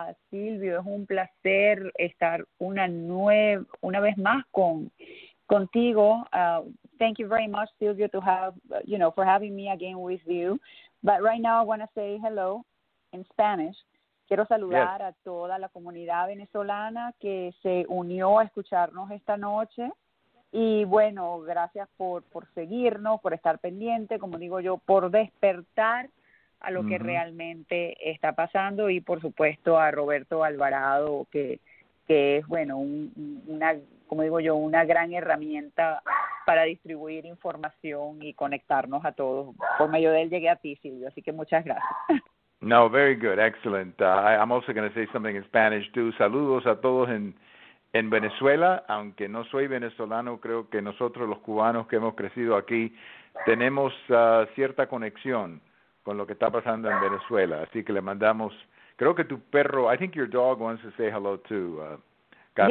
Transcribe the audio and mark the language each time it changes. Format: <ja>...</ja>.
<es>Silvio, es un placer estar una vez más contigo.</es> <en>Thank you very much, Silvio, for having me again with you. But right now I want to say hello in Spanish.</en> <es>Quiero saludar a toda la comunidad venezolana que se unió a escucharnos esta noche. Y bueno, gracias por seguirnos, por estar pendiente, como digo yo, por despertar a lo que realmente está pasando, y por supuesto a Roberto Alvarado, que es, bueno, una gran herramienta para distribuir información y conectarnos a todos. Por medio de él llegué a ti, Silvio, así que muchas gracias.</es> <en>No, very good, excellent. I'm also going to say something in Spanish too.</en> <es>Saludos a todos en Venezuela, aunque no soy venezolano, creo que nosotros los cubanos que hemos crecido aquí tenemos cierta conexión con lo que está pasando en Venezuela. Así que le mandamos, creo que tu perro,</es> <en>I think your dog wants to say hello too, Carmen.</en>